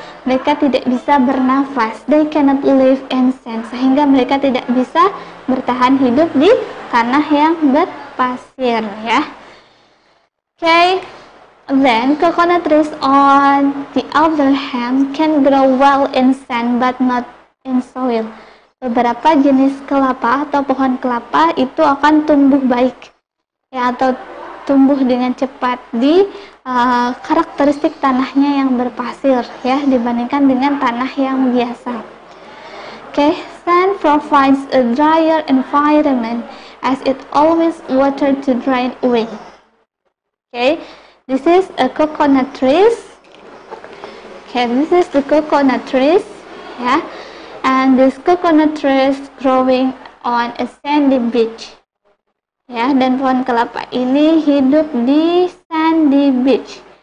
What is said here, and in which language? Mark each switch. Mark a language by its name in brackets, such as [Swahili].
[Indonesian] Mereka tidak bisa bernafas. [English] They cannot live in sand. [Indonesian] Sehingga mereka tidak bisa bertahan hidup di tanah yang berpasir. Ya, yeah. Okay. [English] Then, coconut trees on the other hand can grow well in sand but not in soil. [Indonesian] Beberapa jenis kelapa atau pohon kelapa itu akan tumbuh baik, ya, atau tumbuh dengan cepat di karakteristik tanahnya yang berpasir, ya, dibandingkan dengan tanah yang biasa. [English] Okay, sand provides a drier environment as it always water to dry away. Okay. This is a coconut trees. Okay, this is the coconut trees, yeah. And this coconut trees growing on a sandy beach. [Indonesian] Ya, yeah, dan pohon kelapa ini hidup di [English] sandy beach.